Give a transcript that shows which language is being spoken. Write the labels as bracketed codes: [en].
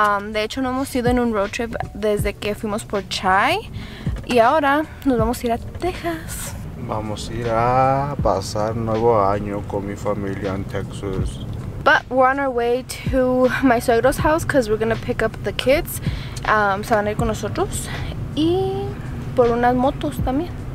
[es] De hecho, no hemos ido en un road trip desde que fuimos por Chai. Y ahora nos vamos a ir a Texas. Vamos a ir a pasar nuevo año con mi familia en Texas. [en] But we're on our way to my suegro's house because we're going to pick up the kids. [es] Se van a ir con nosotros y por unas motos también.